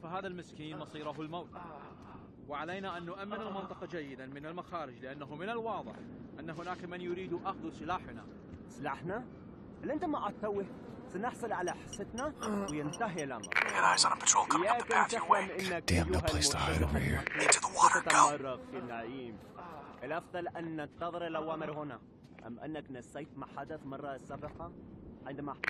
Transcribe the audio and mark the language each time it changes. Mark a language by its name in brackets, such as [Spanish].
[Arabic] فهذا المسكين مصيره الموت. وعلينا أن نؤمن المنطقة جيدا من المخارج لأنه من الواضح أن هناك من يريد أخذ سلاحنا. سلاحنا؟ هل أنت ما أتوه؟ سنحصل على حصتنا وينتهي الأمر. [English] Get eyes on a patrol coming up the path your way. Damn, no place to hide over here. Into the water, go. [Arabic] الأفضل أن ننتظر الأوامر هنا. أم أنك نسيت ما حدث مرة السابقة عندما